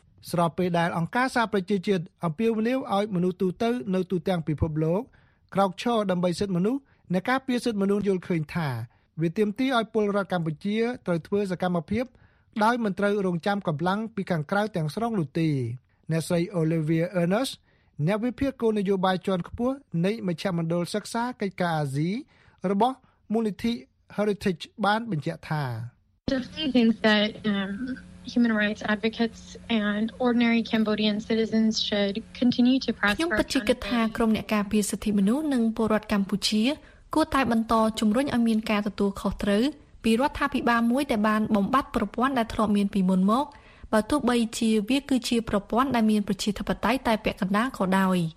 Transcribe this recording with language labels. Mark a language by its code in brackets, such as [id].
[km] ស្របពេលដែលអង្គការសហប្រជាជាតិអំពាវនាវឲ្យមនុស្សទូទៅនៅទូទាំងពិភពលោកក្រោកឈរដើម្បីសិទ្ធិមនុស្សនៃការពៀសសិទ្ធិមនុស្សយល់ឃើញថាវាទាមទារឲ្យពលរដ្ឋកម្ពុជាត្រូវធ្វើសកម្មភាពដោយមិនត្រូវរងចាំកម្លាំងពីខាងក្រៅទាំងស្រុងនោះទេអ្នកស្រី Olivia Ernest អ្នកវិភាគគោលនយោបាយជាន់ខ្ពស់នៃមជ្ឈមណ្ឌលសិក្សាកិច្ចការអាស៊ីរបស់មូលនិធិ Heritage បានបញ្ជាក់ថា [en] Human rights advocates and ordinary Cambodian citizens should continue to press [km] ខ្ញុំពិតជាគិតថាក្រុមអ្នកការពារសិទ្ធិមនុស្សនិងពលរដ្ឋកម្ពុជាគួរតែបន្តជំរុញឲ្យមានការទទួលខុសត្រូវពីរដ្ឋាភិបាលមួយដែលបានបំបត្តិប្រព័ន្ធដែលធ្លាប់មានពីមុនមកបើទោះបីជាវាគឺជាប្រព័ន្ធដែលមានប្រជាធិបតេយ្យតែពាក់កណ្ដាលក៏ដោយ